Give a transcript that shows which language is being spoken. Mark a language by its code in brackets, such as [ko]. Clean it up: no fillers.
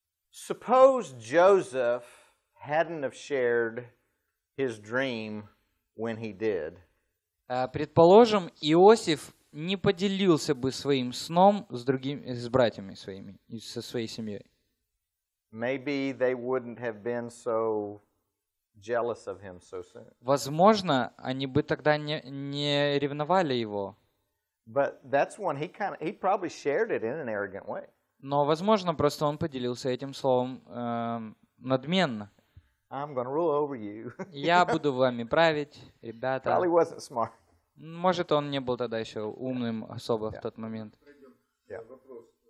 [en] Suppose Joseph hadn't have shared his dream when he did. [ru] Предположим, Иосиф не поделился бы своим сном с другими, с братьями своими и со своей семьей. [en] Maybe they wouldn't have been so jealous of him so soon. [ru] Возможно, они бы тогда не ревновали его. [en] But that's when he probably shared it in an arrogant way. [ru] Но, возможно, просто он поделился этим словом надменно. [en] I'm gonna rule over you. [ru] Я буду вами править, ребята. [en] Probably wasn't smart. [ru] Может, он не был тогда еще умным особо в тот момент. Вопрос.